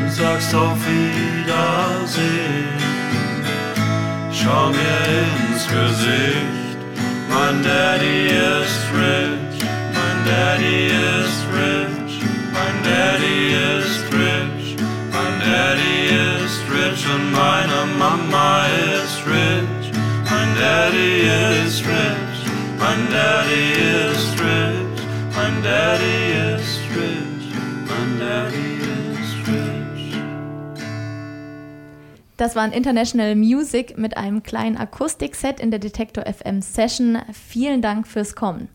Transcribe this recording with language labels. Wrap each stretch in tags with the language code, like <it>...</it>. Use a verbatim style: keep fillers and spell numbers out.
<de>Du sagst auf Wiedersehen, schau mir ins Gesicht. Mein Daddy ist rich, mein Daddy ist rich, mein Daddy ist rich, mein Daddy ist rich und meine Mama ist rich.</de> <en>Daddy is rich, my daddy is rich, my daddy is rich, my daddy is rich.</en> <de>Das war ein International Music mit einem kleinen Akustikset in der Detektor F M Session. Vielen Dank fürs Kommen.</de>